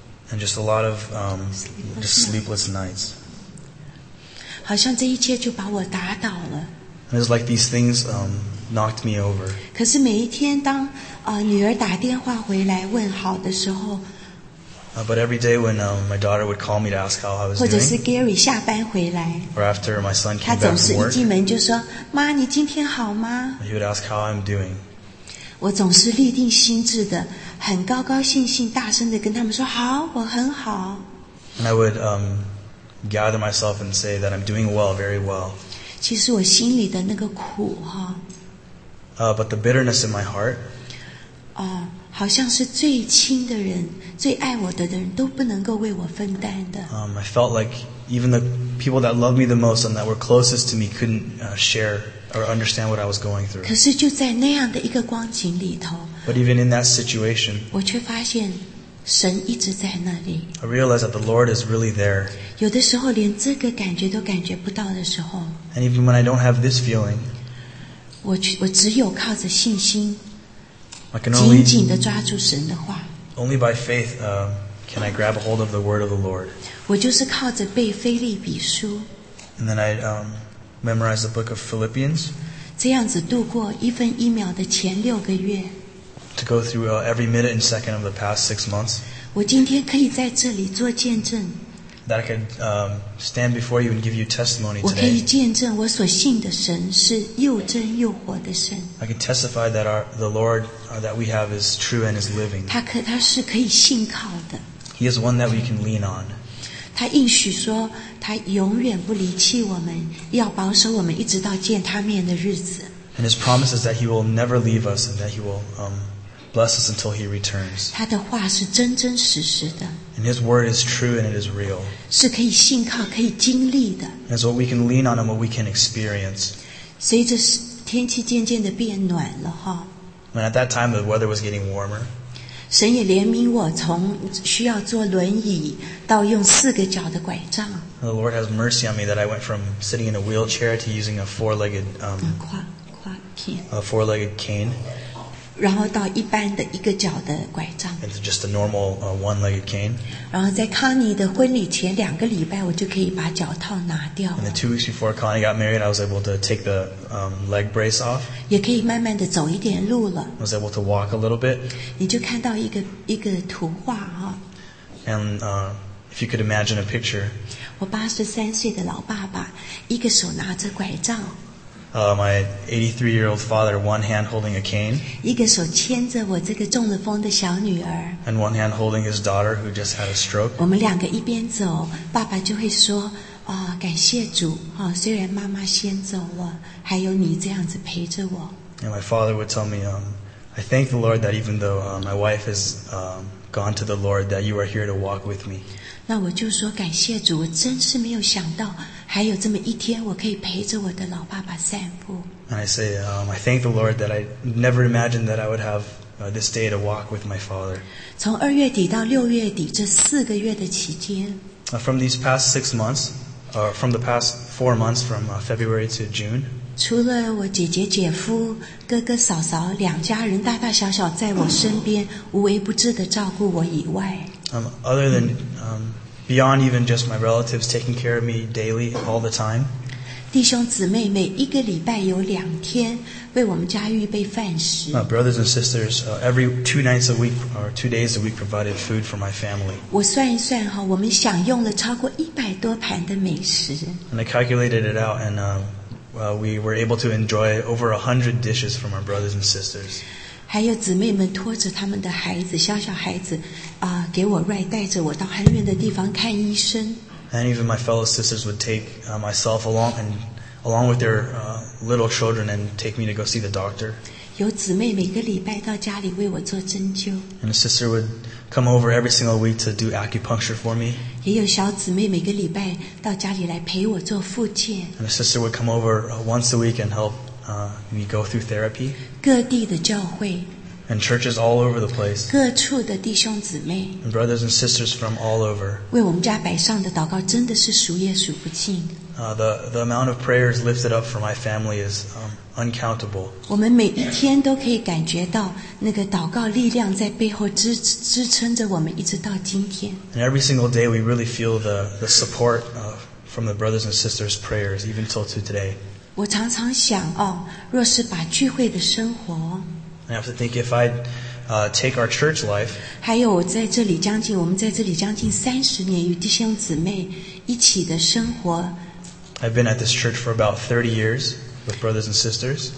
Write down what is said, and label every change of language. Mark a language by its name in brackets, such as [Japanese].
[English] And just a lot of just sleepless nights. [Chinese] 好像这一切就把我打倒了。 [English] And it's like these things knocked me over. [Chinese] 可是每一天当女儿打电话回来问好的时候。 [English] But every day when my daughter would call me to ask how I was doing. [Chinese] 或者是 Gary 下班回来。 [English] Or after my son came back from work. [Chinese] 他总是一进门就说：“妈，你今天好吗？” [English] He would ask how I'm doing. [Chinese] 我总是立定心志的，很高高兴兴，大声的跟他们说：“好，我很好。” [English] And I would gather myself and say that I'm doing well, very well. [Chinese] 其实我心里的那个苦哈。 [English] But the bitterness in my heart. [Chinese] 好像是最亲的人、最爱我的人都不能够为我分担的。 [English] I felt like even the people that loved me the most and that were closest to me couldn't share. Or understand what I was going through. [Chinese] 可是就在那样的一个光景里头 [English] But even in that situation, [Chinese] 我却发现神一直在那里 [English] I realized that the Lord is really there. [Chinese] 有的时候连这个感觉都感觉不到的时候 [English] And even when I don't have this feeling, [Chinese] 我只有靠着信心 [English] I can only, [Chinese] 紧紧地抓住神的话 [English] Only by faith, can I grab a hold of the word of the Lord. [Chinese] 我就是靠着背腓立比书 [English] And then I, Memorize the book of Philippians. [Chinese] 这样子度过一分一秒的前六个月。 [English] To go through every minute and second of the past 6 months. [Chinese] 我今天可以在这里做见证。 [English] That I could stand before you and give you testimony today. [Chinese] 我可以见证我所信的神是又真又活的神。 [English] I can testify that the Lord that we have is true and is living. [Chinese] 他是可以信靠的。 [English] He is one that we can lean on. [Chinese] 他应许说他永远不离弃我们要保守我们一直到见他面的日子 [English] And his promise is that he will never leave us and that he will bless us until he returns [Chinese] 他的话是真真实实的 [English] And his word is true and it is real [Chinese] 是可以信靠可以经历的 [English] And it's what we can lean on and what we can experience [Chinese] 随着天气渐渐的变暖了哈 [English] And at that time the weather was getting warmer [Chinese] 神也怜悯我，从需要坐轮椅到用四个脚的拐杖。 [English] The Lord has mercy on me that I went from sitting in a wheelchair to using a four-legged quad cane. A four-legged cane. [Chinese] 然后到一般的一个脚的拐杖。 [English] It's just a normal one-legged cane. [Chinese] 然后在康妮的婚礼前两个礼拜，我就可以把脚套拿掉。 [English] And the 2 weeks before Connie got married, I was able to take the leg brace off. [Chinese] 也可以慢慢的走一点路了。 [English] I was able to walk a little bit. [Chinese] 你就看到一个图画啊。 [English] And if you could imagine a picture. [Chinese] 我83岁的老爸爸，一个手拿着拐杖。 [English] My 83-year-old father, one hand holding a cane, [Chinese] 一个手牵着我这个中了风的小女儿 [English] and one hand holding his daughter who just had a stroke. [Chinese] 我们两个一边走，爸爸就会说，啊，感谢主，啊，虽然妈妈先走了，还有你这样子陪着我。 [English] And my father would tell me, I thank the Lord that even though my wife has gone to the Lord, that you are here to walk with me. [Chinese] 那我就说感谢主，我真是没有想到。还有这么一天，我可以陪着我的老爸爸散步。 [English] And I say, I thank the Lord that I never imagined that I would have this day to walk with my father. [Chinese] 从二月底到六月底这四个月的期间。 [English] From these past 6 months, from the past 4 months, from February to June. [Chinese] 除了我姐姐、姐夫、哥哥、嫂嫂两家人大大小小在我身边无微不至的照顾我以外。 [English] Other than beyond even just my relatives taking care of me daily, all the time. [Chinese] 弟兄姊妹每一个礼拜有两天为我们家预备饭食。 [English] Brothers and sisters, every 2 nights a week or 2 days a week provided food for my family. [Chinese] 我算一算哈，我们享用了超过100多盘的美食。 [English] And I calculated it out, and we were able to enjoy over 100 dishes from our brothers and sisters. [Chinese] 还有姊妹们拖着他们的孩子，小小孩子，给我 Ray 带着我到很远的地方看医生。 [English] And even my fellow sisters would take myself along and along with their little children and take me to go see the doctor. [Chinese] 有姊妹每个礼拜到家里为我做针灸。 [English] And a sister would come over every single week to do acupuncture for me. [Chinese] 也有小姊妹每个礼拜到家里来陪我做复健。 [English] And a sister would come over once a week and help. We go through therapy. [Chinese] 各地的教会 [English] and churches all over the place. [Chinese] 各处的弟兄姊妹 [English] and brothers and sisters from all over. [Chinese] 为我们家摆上的祷告真的是数也数不尽 [English] The amount of prayers lifted up for my family is uncountable. [Chinese] 我们每一天都可以感觉到那个祷告力量在背后支撑着我们一直到今天 [English] And every single day, we really feel the support from the brothers and sisters' prayers, even till to today. [Chinese] 我常常想哦，若是把聚会的生活 [English] ，I have to think if I take our church life， [Chinese] 还有我们在这里将近30年与弟兄姊妹一起的生活 [English] ，I've been at this church for about 30 years with brothers and sisters，